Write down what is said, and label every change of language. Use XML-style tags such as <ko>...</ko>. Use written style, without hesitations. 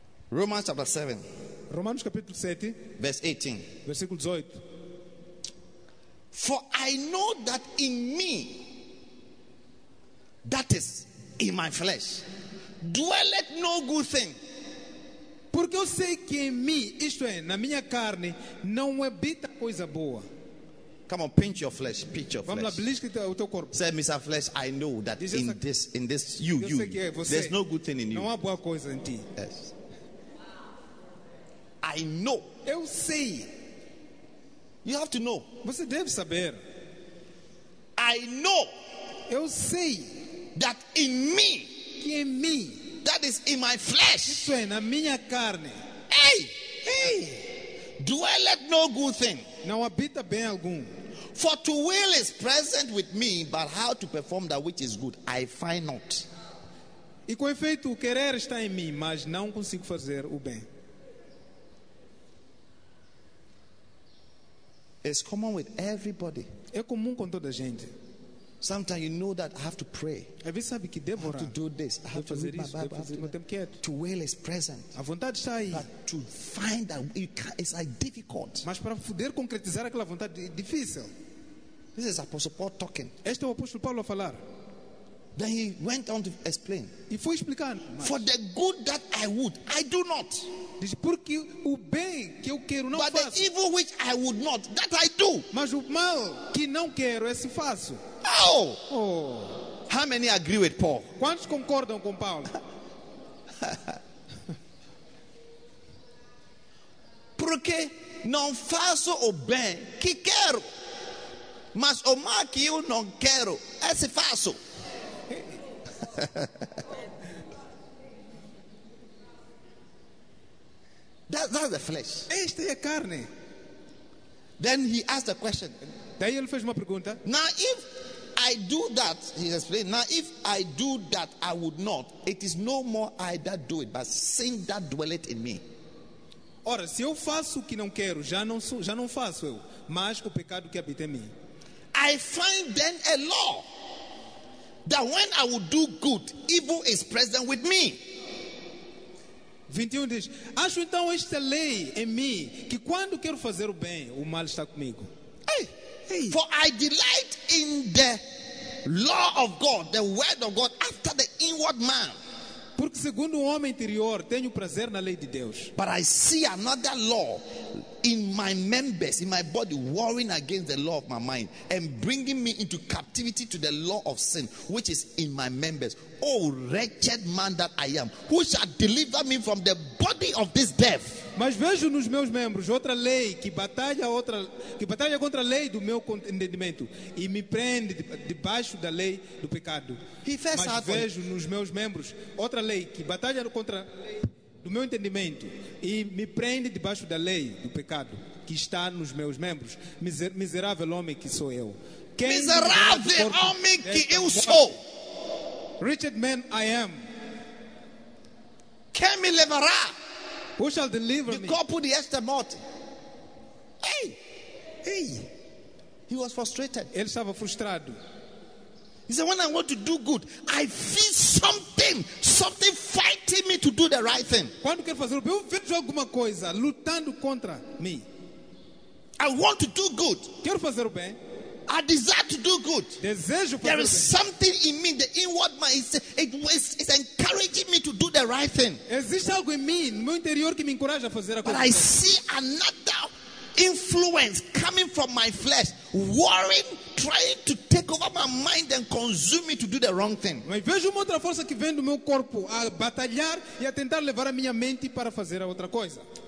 <en>Romans chapter 7.</en> <pt>Romanos capítulo 7.</pt> <en>Verse 18.</en> <pt>Versículo 18.</pt> <en>For I know that in me, that is in my flesh, dwelleth no good thing.</en> <pt>Porque eu sei que em mim, isto é, na minha carne, não habita coisa boa.</pt> <en>Come on, pinch your flesh, pinch your</en> <pt>Vamos</pt> <en>flesh.</en> <pt>Vamos lá, belisca o teu corpo.</pt> <en>Say, Mr. Flesh, I know that diz in essa, this, you,</en> <pt>sei que é você,</pt> <en>there's no good thing in you.</en> <pt>Não há boa coisa em ti.</pt> <en>Yes. I know.</en> <pt>Eu sei.</pt> <en>You have to know.</en> <pt>Você deve saber.</pt> <en>I know.</en> <pt>Eu sei.</pt> <en>That in me.</en> <pt>Que em mim.</pt> <en>That is in my flesh.</en> <pt>Isso é na minha carne.</pt> <en>Hey, hey. Dwelleth no good thing.</en> <pt>Não habita bem algum.</pt> <en>For to will is present with me, but how to perform that which is good, I find not.</en> <pt>E com efeito, o querer está em mim, mas não consigo fazer o bem.</pt> <en>It's common with everybody.</en> <pt>É comum com toda a gente.</pt> <en>Sometimes you know that I have to pray. I have to do this. I have to read my Bible. I have to will is present. But to find that you can, it's like difficult.</en> <pt>Mas para poder concretizar aquela vontade é difícil.</pt> <en>This is Apostle Paul talking.</en> <pt>Este é o Apóstolo Paulo a falar.</pt> <en>Then he went on to explain.</en> <pt>E foi explicar.</pt> <en>For the good that I would, I do not.</en> <pt>Diz, porque o bem que eu quero não</pt> <en>but</en> <pt>faço.</pt> <en>But the evil which I would not, that I do.</en> <pt>Mas o mal que não quero, esse faço. Oh. Oh.</pt> <en>How many agree with Paul?</en> <pt>Quantos concordam com Paulo? Porque não faço o bem que quero. Mas o mal que eu não quero, esse faço.</pt> <en>That's the flesh.</en> <pt>Esta é a carne.</pt> <en>Then he asked a question.</en> <pt>Daí ele fez uma pergunta.</pt> <en>Now if I do that, he explained. Now if I do that, I would not. It is no more I that do it, but sin that dwelleth in me.</en> <pt>Ora, se eu faço o que não quero, já não faço eu, mas o pecado que habita em mim.</pt> <en>I find then a law that when I would do good, evil is present with me.</en> <pt>21 diz, acho então esta lei em mim, que quando quero fazer o bem, o mal está comigo. Hey. Hey.</pt> <en>For I delight in the law of God, the word of God, after the inward man.</en> <pt>Porque segundo o homem interior, tenho prazer na lei de Deus.</pt> <en>But I see another law in my members, in my body, warring against the law of my mind, and bringing me into captivity to the law of sin, which is in my members. Oh, wretched man that I am, who shall deliver me from the body of this death?</en> <pt>Mas vejo nos meus membros outra lei que batalha contra a lei do meu entendimento e me prende debaixo da lei do pecado. Mas vejo nos meus membros outra lei que batalha contra do meu entendimento e me prende debaixo da lei do pecado que está nos meus membros. Miserável homem que sou eu. Quem miserável homem que eu sou.</pt> <en>Wretched man I am.</en> <pt>Quem me levará?</pt> <en>Who shall deliver me? The couple, the Esther Morty. Hey! Hey! He was frustrated.</en> <pt>Ele estava frustrado.</pt> <en>He said, when I want to do good, I feel something fighting me to do the right thing.</en> <pt>Quando quero fazer o bem, eu vejo alguma coisa lutando contra me.</pt> <en>I want to do good.</en> <pt>Quero fazer o bem.</pt> <en>I desire to do good.</en> <pt>Desejo fazer</pt> <en>there is</en> <pt>bem.</pt> <en>Something in me, the inward man, it's encouraging me to do the right thing.</en> <pt>Existe algo em mim, no meu interior, que me encoraja a fazer a coisa.</pt> <en>But I see another influence coming from my flesh, worrying, trying to take over my mind and consume me to do the wrong thing.</en> <pt>Mas vejo uma outra força que vem do meu corpo a batalhar e a tentar levar a minha mente para fazer a outra coisa.</pt>